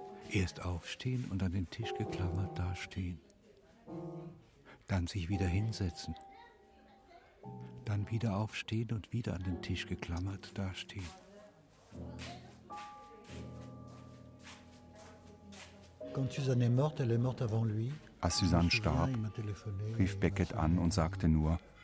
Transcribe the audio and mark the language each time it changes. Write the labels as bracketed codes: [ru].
[de] Erst aufstehen und an den Tisch geklammert dastehen. Dann sich wieder hinsetzen. Dann wieder aufstehen und wieder an den Tisch geklammert dastehen. [fr] Quand Suzanne est morte, elle est morte avant lui. [de] Als Suzanne starb, rief Beckett an und sagte nur,